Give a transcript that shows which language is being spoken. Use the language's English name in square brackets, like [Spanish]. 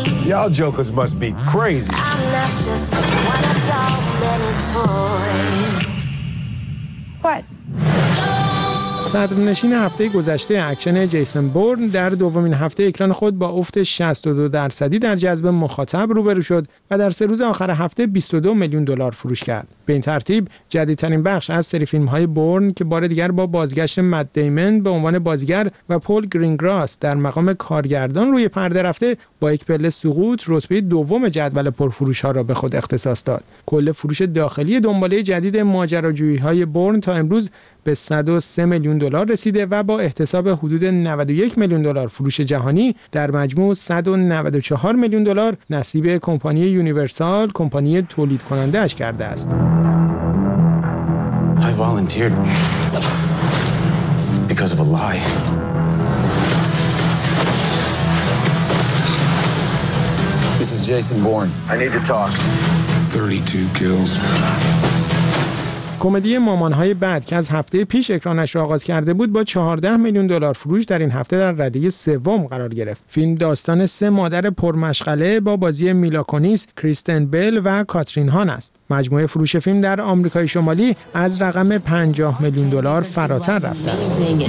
[English] Y'all jokers must be crazy. I'm not just one of your many toys. What? [Persian] صدرنشین هفته گذشته اکشن جیسون بورن در دومین هفته اکران خود با افت 62% در جذب مخاطب روبرو شد و در سه روز آخر هفته 22 میلیون دلار فروش کرد. به این ترتیب جدیدترین بخش از سری فیلم‌های بورن که بار دیگر با بازگشت مت دیمن به عنوان بازیگر و پول گرینگراس در مقام کارگردان روی پرده رفته با یک پله سقوط رتبه دوم جدول پرفروش‌ها را به خود اختصاص داد. کل فروش داخلی دنباله جدید ماجراجویی‌های بورن تا امروز به 103 میلیون دلار رسیده و با احتساب حدود 91 میلیون دلار فروش جهانی در مجموع 194 میلیون دلار نصیب کمپانی یونیورسال، کمپانی تولید کننده اش کرده است. [English] I volunteered because of a lie. This is Jason Bourne. I need to talk. 32 kills. [Persian] کمدی مامان‌های بعد که از هفته پیش اکرانش را آغاز کرده بود با 14 میلیون دلار فروش در این هفته در رده سوم قرار گرفت. فیلم داستان سه مادر پرمشغله با بازی میلا کونیس، کریستن بل و کاترین هان است. مجموعه فروش فیلم در آمریکای شمالی از رقم 50 میلیون دلار فراتر رفته است.